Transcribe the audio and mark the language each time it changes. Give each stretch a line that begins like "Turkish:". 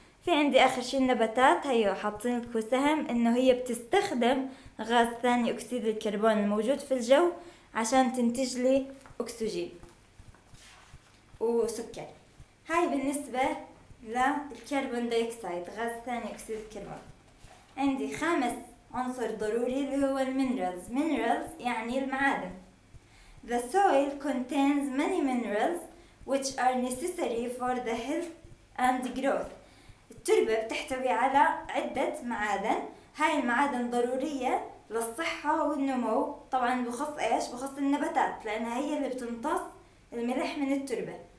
Arabic: في عندي آخر شيء النباتات، هي حاطين لكم سهم إنه هي بتستخدم غاز ثاني أكسيد الكربون الموجود في الجو عشان تنتج لي أكسجين وسكر. هاي بالنسبة للكربون دايوكسيد، غاز ثاني أكسيد الكربون. عندي خامس عنصر ضروري اللي هو المينرالز. مينرالز يعني المعادن.
English: The soil contains many minerals which are necessary for the health and growth.
Arabic: التربة بتحتوي على عدة معادن، هاي المعادن ضرورية للصحة والنمو. طبعا بخص ايش؟ بخص النباتات، لانها هي اللي بتمتص الملح من التربة.